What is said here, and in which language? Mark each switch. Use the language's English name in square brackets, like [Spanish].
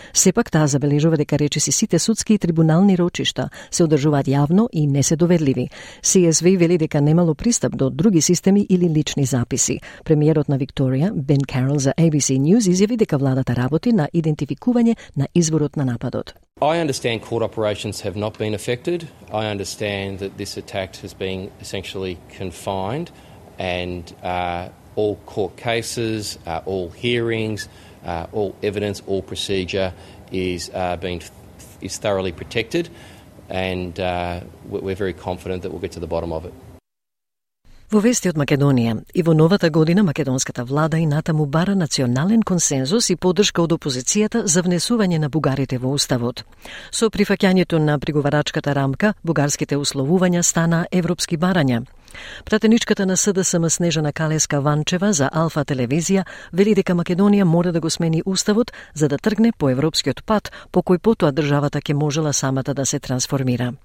[Macedonian] Сепак, таа забележува дека речиси сите судски и трибунални рочишта се одржуваат јавно и не се доведливи. CSV вели дека немало пристап до други системи или лични записи. Премиерот на Викторија, Бен Карол за ABC News, изјави дека владата работи на идентификување на изворот на нападот. [English] I understand court operations have not been affected. I understand that this attack has been essentially confined, and all court cases, all hearings, all evidence, all procedure is thoroughly protected, and we're very confident that we'll get to the bottom of it. [Macedonian] Во вести од Македонија, и во новата година македонската влада и натаму бара национален консензус и поддршка од опозицијата за внесување на бугарите во уставот. Со прифаќањето на приговарачката рамка, бугарските условувања станаа европски барања. Пратеничката на СДСМ Снежана Калеска-Ванчева за Алфа Телевизија вели дека Македонија мора да го смени уставот за да тргне по европскиот пат по кој потоа државата ќе можела самата да се трансформира.